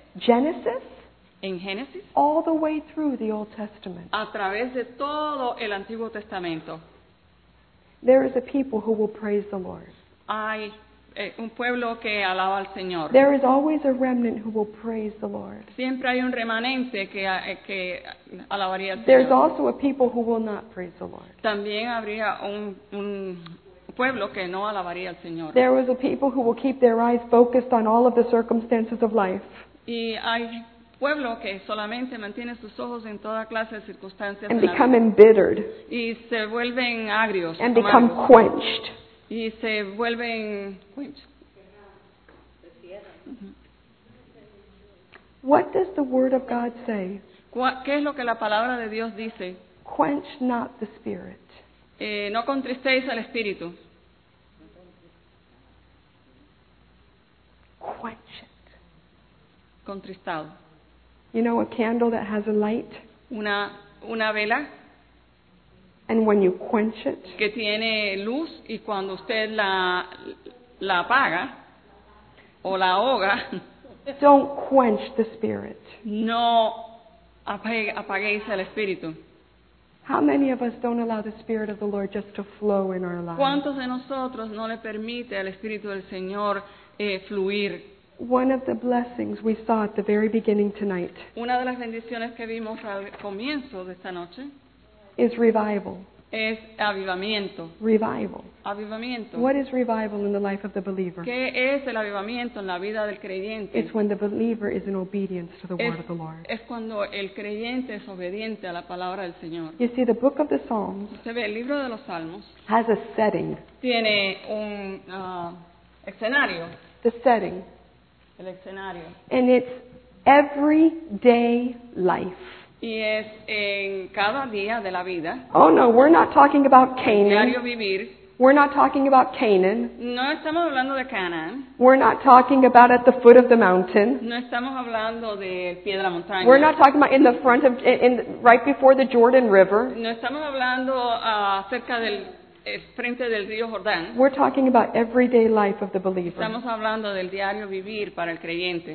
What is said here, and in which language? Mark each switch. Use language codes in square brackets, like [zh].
[en] Genesis. In Genesis, all the way through the Old Testament. [es] A través de todo el Antiguo Testamento. [en] There is a people who will praise the Lord. [es] Hay un pueblo que alaba al Señor. [en] There is always a remnant who will praise the Lord. [es] Siempre hay un remanente que alabaría al Señor. [en] There's also a people who will not praise the Lord. [es] También habría un pueblo que no alabaría al Señor. [en] There is a people who will keep their eyes focused on all of the circumstances of life. [es] Y hay pueblo que solamente mantiene sus ojos en toda clase de circunstancias [en] and become embittered [es] y se vuelven agrios [en] and become quenched [es] y se vuelven [en] What does the word of God say? [es] ¿Qué es lo que la palabra de Dios dice? [en] Quench not the spirit. [es] No contristéis al espíritu. [en] Quench it. [es] Contristado. [en] You know a candle that has a light? [es] Una vela. [en] And when you quench it? [es] Que tiene luz y cuando usted la apaga o la ahoga. [en] Don't quench the spirit. [es] No apaguéis el espíritu. [en] How many of us don't allow the spirit of the Lord just to flow in our lives? [es] ¿Cuántos de nosotros no le permite al espíritu del Señor fluir? [en] One of the blessings we saw at the very beginning tonight. [es] Una de las bendiciones que vimos al comienzo de esta noche. [en] Is revival. [es] Es avivamiento. [en] Revival. [es] Avivamiento. [en] What is revival in the life of the believer? [es] ¿Qué es el avivamiento en la vida del creyente? [en] It's when the believer is in obedience to the word of the Lord. [es] Es cuando el creyente es obediente a la palabra del Señor. [en] You see, the book of the Psalms. [es] Se ve el libro de los Salmos. [en] Has a setting. [es] Tiene un escenario. [en] The setting. [es] El escenario. [en] And it's everyday life. [es] Y es en cada día de la vida. [en] Oh no, we're not talking about Canaan. [es] Diario vivir. [en] We're not talking about Canaan. [es] No estamos hablando de Canaan. [en] We're not talking about at the foot of the mountain. [es] No estamos hablando del pie de la montaña. [en] We're not talking about in the front of, in right before the Jordan River. [es] No estamos hablando cerca del frente del río Jordán. [en] We're talking about everyday life of the believer. [es] Estamos hablando del diario vivir para el creyente.